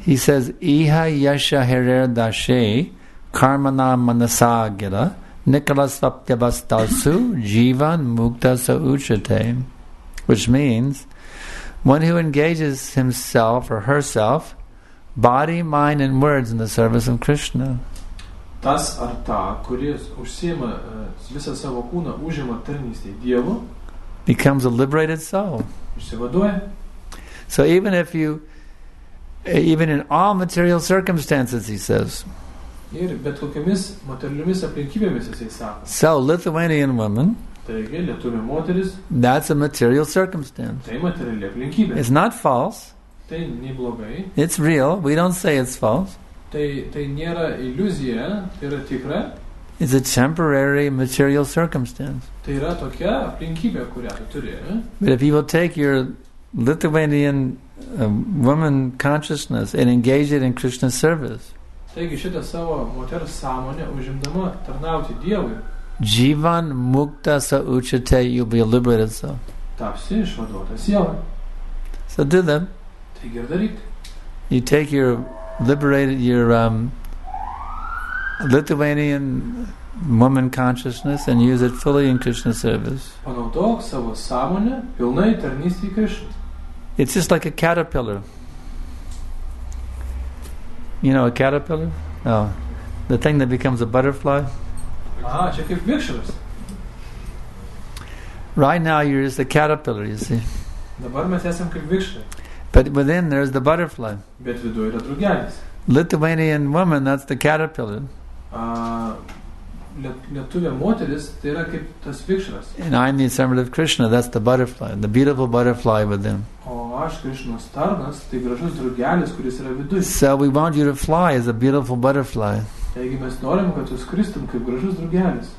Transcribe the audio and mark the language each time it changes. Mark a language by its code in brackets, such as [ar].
[en] He says, [sa] Iha yasha herer dashe karmana manasa gira Nicholas Vaptyavastasu Jivan Mukta Sa Uchate, [en] which means one who engages himself or herself, body, mind, and words in the service of Krishna. [lt] Tas arta, kuris užsima visą savo kūną, užima tarnystę Dievu, [en] becomes a liberated soul. [lt] Išsivaduoja. [en] So even if you, even in all material circumstances, he says, so, Lithuanian woman, that's a material circumstance. It's not false. It's real. We don't say it's false. It's a temporary material circumstance. But if you will take your Lithuanian woman consciousness and engage it in Krishna's service. [lt] Taigi šitą savo moters sąmonę užimdama tarnauti Dievui. [sa] Jivan mukta sa uchate, [en] you'll be liberated, so. [lt] Tapsi išvaduota siela. [en] So do that. [lt] Taigi ir daryk. [en] You take your liberated, your Lithuanian woman consciousness and use it fully in Krishna's service. [lt] Panaudok savo sąmonę pilnai tarnystei Krishna. [en] It's just like a caterpillar. You know a caterpillar? No. The thing that becomes a butterfly? [lt] Ah, čia kaip vikšras. [en] Right now you're just a caterpillar, you see. [lt] Dabar mes esam kaip vikšras. [en] But within there's the butterfly. [lt] Bet viduje yra drugelis. [en] Lithuanian woman, that's the caterpillar. [lt] Lietuvė moteris, tai yra kaip tas vikšras. [en] And I'm the servant of Krishna, that's the butterfly, the beautiful butterfly within. [lt] O aš Krishnos tarnas, tai gražus drugelis, kuris yra viduje. [en] So we want you to fly as a beautiful butterfly. [lt] Taigi mes norim, kad jūs skristum kaip gražus drugelis.